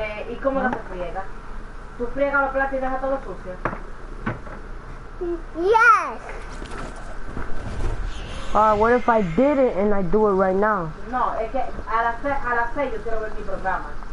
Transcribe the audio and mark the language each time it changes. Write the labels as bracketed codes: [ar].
[es] ¿Y cómo lo friegas? ¿Tú friegas los platos y dejas todo sucio? [en] Yes. What if I did it and I do it right now? [es] No, es que a las seis yo quiero ver mi programa.